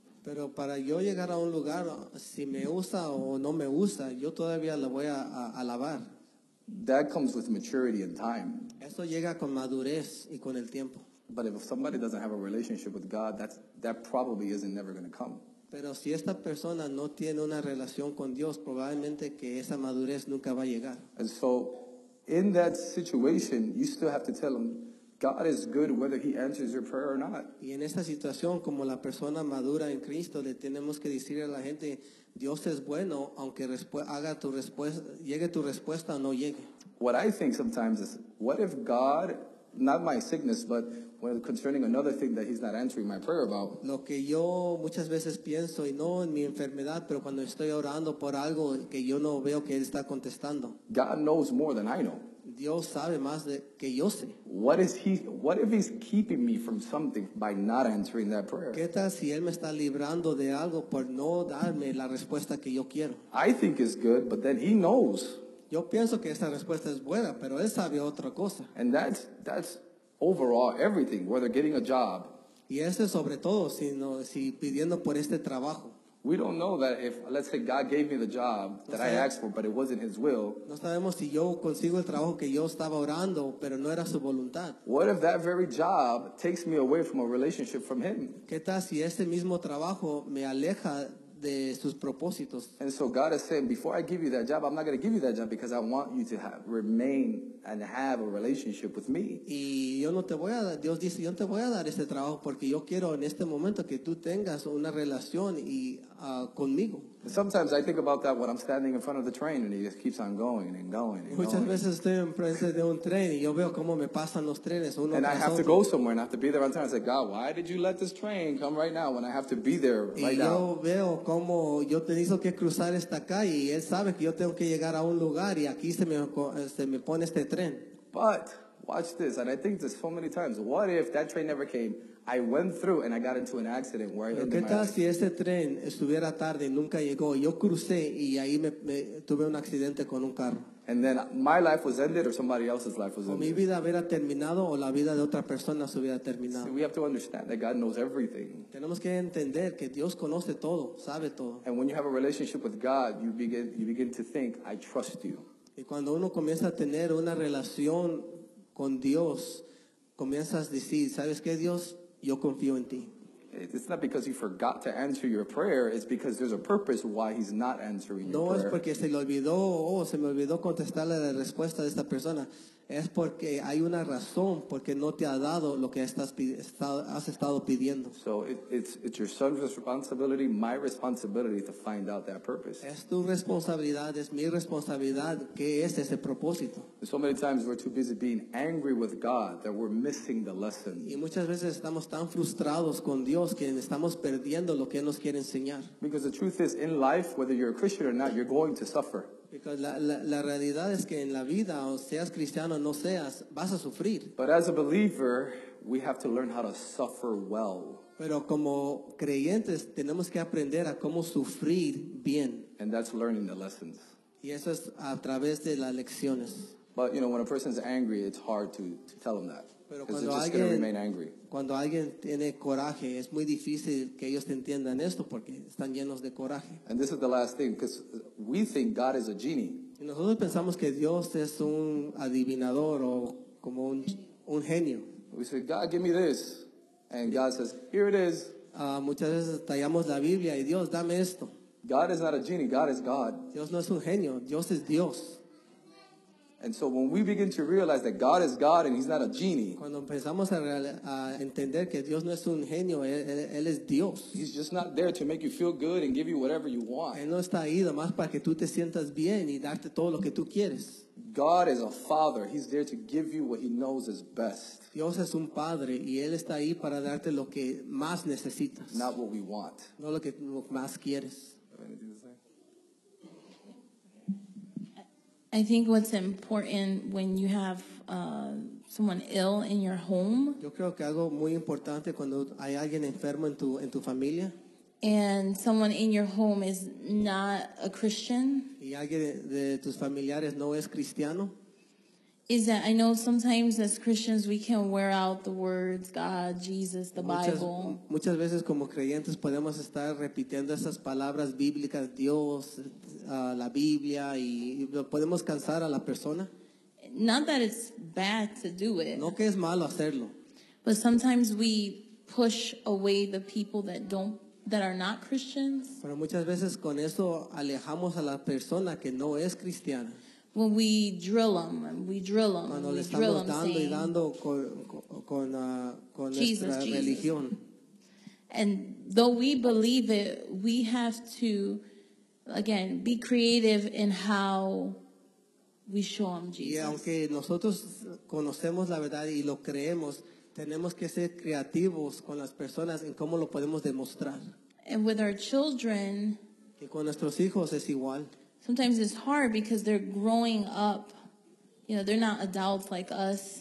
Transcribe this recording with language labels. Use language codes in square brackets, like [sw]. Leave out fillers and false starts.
[es] Pero para yo llegar a un lugar, si me usa o no me usa, yo todavía la voy a alabar. [en] That comes with maturity and time. [es] Eso llega con madurez y con el tiempo. [en] But if somebody doesn't have a relationship with God, that probably isn't never going to come. [es] Pero si esta persona no tiene una relación con Dios, probablemente que esa madurez nunca va a llegar. [en] And so, in that situation, you still have to tell them, God is good whether He answers your prayer or not. [es] Y en esta situación, como la persona madura en Cristo, le tenemos que decir a la gente, Dios es bueno, aunque haga tu respuesta, llegue tu respuesta o no llegue. [en] What I think sometimes is, what if God, not my sickness, but concerning another thing that He's not answering my prayer about. [es] Lo que yo muchas veces pienso, y no en mi enfermedad, pero cuando estoy orando por algo que yo no veo que Él está contestando. [en] God knows more than I know. [es] Dios sabe más de que yo sé. [en] What if He's keeping me from something by not answering that prayer? [es] ¿Qué tal si Él me está librando de algo por no darme la respuesta que yo quiero? [en] I think it's good, but then He knows. [es] Yo pienso que esa respuesta es buena, pero Él sabe otra cosa. [en] And that's overall everything, whether getting a job. [es] Y eso es sobre todo, sino si pidiendo por este trabajo. [en] We don't know that if, let's say, God gave me the job that I asked for, but it wasn't His will. [es] No sabemos si yo consigo el trabajo que yo estaba orando, pero no era su voluntad. [en] What if that very job takes me away from a relationship from Him? [es] ¿Qué tal si ese mismo trabajo me aleja de sus propósitos? [en] And so God is saying, before I give you that job, I'm not going to give you that job because I want you to remain and have a relationship with me. [es] Y yo no te voy a dar, Dios dice, yo no te voy a dar este trabajo porque yo quiero en este momento que tú tengas una relación y conmigo. [en] Sometimes I think about that when I'm standing in front of the train and it just keeps on going and going and [es] muchas [en] going. [es] Veces estoy en frente de un tren y yo veo cómo me pasan los trenes uno [en] and I have [es] otro. [en] To go somewhere and I have to be there on time. I say, God, why did you let this train come right now when I have to be there right [es] y yo [en] now? [es] Veo cómo yo te hizo que cruzar esta calle y Él sabe que yo tengo que llegar a un lugar y aquí se me pone este tren. [en] But watch this, and I think this so many times. What if that train never came? I went through and I got into an accident where I ended my life. [es] ¿Qué tal si ese tren estuviera tarde y nunca llegó? Yo crucé y ahí me tuve un accidente con un carro. [en] And then my life was ended or somebody else's life was ended. [es] O mi vida hubiera terminado o la vida de otra persona se hubiera terminado. [en] See, we have to understand that God knows everything. [es] Tenemos que entender que Dios conoce todo, sabe todo. [en] And when you have a relationship with God, you begin to think, I trust you. [es] Y cuando uno comienza a tener una relación con Dios, comienzas a decir, ¿sabes qué, Dios? Yo confío en ti. [en] It's not because he forgot to answer your prayer. It's because there's a purpose why he's not answering your prayer. [es] No es porque se le olvidó, se me olvidó contestarle la respuesta de esta persona. Es porque hay una razón porque no te ha dado lo que has estado pidiendo. [en] So it's your son's responsibility, my responsibility to find out that purpose. [es] Es tu responsabilidad, es mi responsabilidad, ¿qué es ese propósito? [en] So many times we're too busy being angry with God that we're missing the lesson. [es] Y muchas veces estamos tan frustrados con Dios que estamos perdiendo lo que nos quiere enseñar. [en] Because the truth is, in life, whether you're a Christian or not, you're going to suffer. Because [es] la realidad es que en la vida, o seas cristiano o no seas, vas a sufrir. [en] But as a believer, we have to learn how to suffer well. [es] Pero como creyentes, tenemos que aprender a cómo sufrir bien. [en] And that's learning the lessons. [es] Y eso es a través de las lecciones. [en] But you know, when a person is angry, it's hard to tell them that. [es] Pero [en] because [es] cuando [en] they're just going to remain angry. [es] Cuando alguien tiene coraje, es muy difícil que ellos te entiendan esto porque están llenos de coraje. [en] And this is the last thing, because we think God is a genie. [es] Y nosotros pensamos que Dios es un adivinador o como un genio. [en] We say, God, give me this. And yeah. God says, here it is. [es] Muchas veces tallamos la Biblia y Dios, dame esto. [en] God is not a genie, God is God. [es] Dios no es un genio, Dios es Dios. [en] And so when we begin to realize that God is God and he's not a genie. [es] Cuando empezamos a entender que Dios no es un genio, él es Dios. [en] He's just not there to make you feel good and give you whatever you want. [es] Él no está ahí nomás para que tú te sientas bien y darte todo lo que tú quieres. [en] God is a father. He's there to give you what he knows is best. [es] Dios es un padre y él está ahí para darte lo que más necesitas. [en] Not what we want. [es] No lo que más quieres. [en] I think what's important when you have someone ill in your home. [es] Yo creo que algo muy importante cuando hay alguien enfermo en tu familia. [en] And someone in your home is not a Christian. [es] Y alguien de tus familiares no es cristiano. [en] Is that I know sometimes as Christians we can wear out the words God, Jesus, the Bible. [es] Muchas veces como creyentes podemos estar repitiendo esas palabras bíblicas, Dios, la Biblia, y podemos cansar a la persona. [en] Not that it's bad to do it. [es] No que es malo hacerlo. [en] But sometimes we push away the people that are not Christians. [es] Pero muchas veces con eso alejamos a la persona que no es cristiana. [en] When we drill them, we drill them, [es] cuando [en] we drill them, [es] dando [en] saying, [es] y dando con [en] Jesus, [es] nuestra [en] Jesus. [es] Religión. [en] And though we believe it, we have to, again, be creative in how we show them Jesus. [es] Y aunque nosotros conocemos la verdad y lo creemos, tenemos que ser creativos con las personas en cómo lo podemos demostrar. [en] And with our children, [es] y con nuestros hijos es igual. [en] Sometimes it's hard because they're growing up. You know, they're not adults like us.